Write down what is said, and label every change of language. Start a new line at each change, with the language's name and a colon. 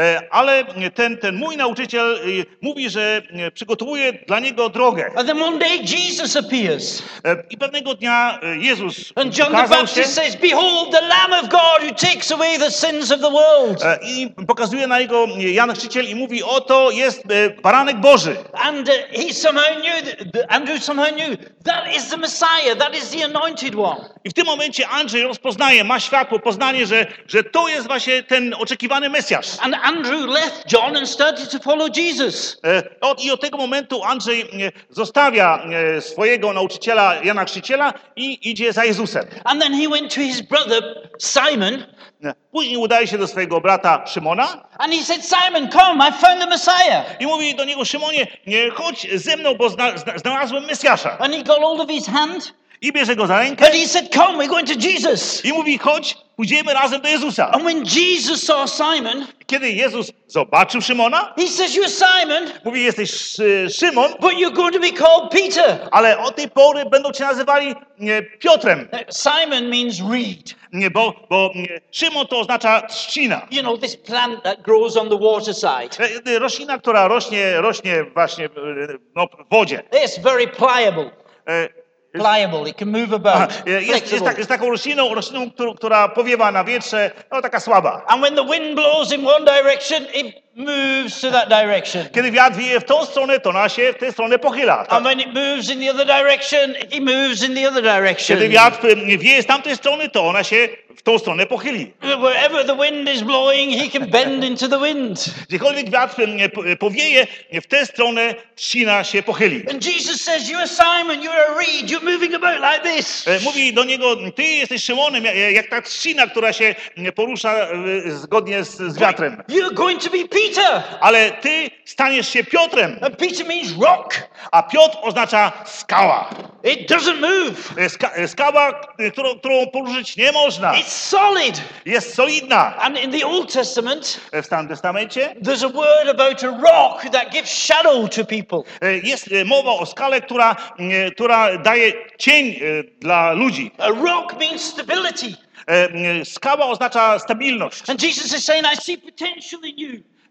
Polish: Ale ten mój nauczyciel mówi, że przygotowuje dla niego drogę.
English: And then one day Jesus appears.
Polish: I pewnego dnia Jezus
English: and John the Baptist says, "Behold, the Lamb of God who takes away the sins of the world."
Polish: I pokazuje na niego Jan Chrzciciel i mówi, oto jest Baranek Boży.
English: And he somehow knew, Andrew somehow knew, that is the Messiah, that is the anointed one.
Polish: I w tym momencie Andrzej rozpoznaje, ma światło, poznanie, że to jest właśnie ten oczekiwany Mesjasz.
English: And Andrew left John and started to follow Jesus.
Polish: I od tego momentu Andrzej zostawia swojego nauczyciela Jana Chrzciciela i idzie za Jezusem.
English: And then he went to his brother Simon.
Polish: Później udaje się do swojego brata Szymona.
English: And he said, "Simon, come, I found the Messiah."
Polish: I mówi do niego, Szymonie, chodź ze mną, bo znalazłem Mesjasza.
English: And he got hold of his hand.
Polish: I bierze go za rękę.
English: But he said, "Come, we're going to Jesus."
Polish: I mówi, chodź, pójdziemy razem do Jezusa.
English: And when Jesus saw Simon,
Polish: kiedy Jezus zobaczył Szymona,
English: he says, "You're Simon."
Polish: Mówi, jesteś Szymon.
English: But you're going to be called Peter.
Polish: Ale od tej pory będą cię nazywali Piotrem.
English: Simon means reed.
Polish: Bo Szymon to oznacza trzcina.
English: You know, this plant that grows on the waterside.
Polish: Roślina, która rośnie właśnie w wodzie.
English: It's very pliable. Pliable, it can move about.
Polish: Jest taką rośliną, która powiewa na wietrze, no taka słaba.
English: And when the wind blows in one direction, it moves to that direction.
Polish: Kiedy wiatr wieje w tą stronę, to ona się w tę stronę pochyla. Tak.
English: And when it moves in the other direction, it moves in the other direction.
Polish: Kiedy wiatr wieje z tamtej strony, to ona się w tą stronę pochyli.
English: Wherever the wind is blowing, he can bend into the wind.
Polish: Gdziekolwiek wiatr powieje, w tę stronę trzcina się pochyli.
English: And Jesus says, "You are Simon, you are a reed, you're moving about like this."
Polish: Mówi do niego, ty jesteś Szymonem, jak ta trzcina, która się porusza zgodnie z wiatrem.
English: You're going to be Peter.
Polish: Ale ty staniesz się Piotrem.
English: And Peter means rock.
Polish: A Piotr oznacza skała.
English: It doesn't move.
Polish: Skała, którą poruszyć nie można.
English: It's solid.
Polish: Jest solidna.
English: And in the Old Testament,
Polish: w Starym Testamencie,
English: there's a word about a rock that gives shadow to people.
Polish: Jest mowa o skale, która daje cień dla ludzi.
English: A rock means stability.
Polish: Skała oznacza stabilność.
English: And Jesus is saying, "I see potential in you."